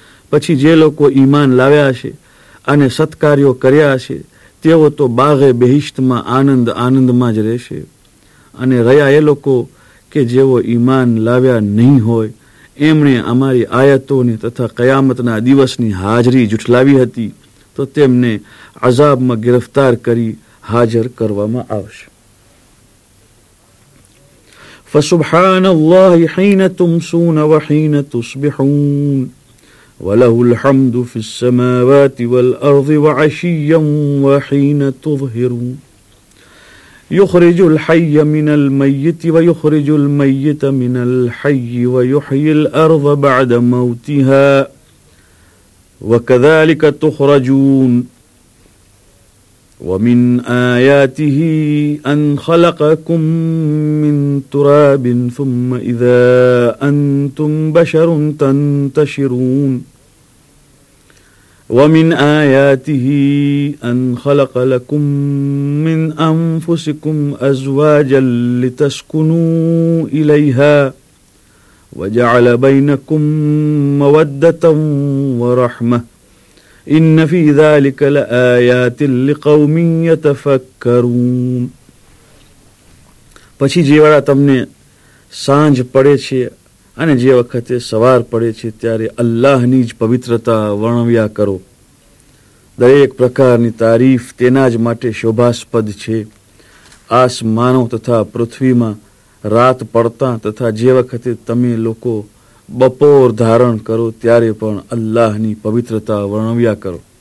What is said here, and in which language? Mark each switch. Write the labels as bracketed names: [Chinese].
[Gujarati] પછી જે લોકો ઈમાન લાવ્યા છે અને સત્કાર્યો કર્યા છે તેઓ તો બાગે બેહિષ્ટમાં આનંદ આનંદમાં જ રહેશે અને રહ્યા એ લોકો કે જેઓ ઈમાન લાવ્યા નહીં હોય એમણે અમારી આયતોની તથા કયામતના દિવસની હાજરી જુઠલાવી હતી તો તેમને અઝાબમાં ગિરફ્તાર કરી હાજર કરવામાં આવશે [Arabic] فسبحان الله حين تمسون وحين تصبحون وله الحمد في السماوات والأرض وعشيا وحين تظهرون يخرج الحي من الميت ويخرج الميت من الحي ويحيي الأرض بعد موتها وكذلك تخرجون وَمِنْ آيَاتِهِ أَنْ خَلَقَكُمْ مِنْ تُرَابٍ ثُمَّ إِذَا أَنْتُمْ بَشَرٌ تَنْتَشِرُونَ وَمِنْ آيَاتِهِ أَنْ خَلَقَ لَكُمْ مِنْ أَنْفُسِكُمْ أَزْوَاجًا لِتَسْكُنُوا إِلَيْهَا وَجَعَلَ بَيْنَكُمْ مَوَدَّةً وَرَحْمَةً ان فی ذلک لآیات لقوم یتفکرون [Gujarati] પછી જેવાળા તમને સાંજ પડે છે અને જે વખતે સવાર પડે છે ત્યારે અલ્લાહની જ પવિત્રતા વર્ણવ્યા કરો દરેક પ્રકારની તારીફ તેના જ માટે શોભાસ્પદ છે આસમાનો તથા પૃથ્વીમાં રાત પડતા તથા જે વખતે તમે લોકો બપોર ધારણ કરો ત્યારે પણ અલ્લાહની પવિત્રતા વર્ણવ્યા કરો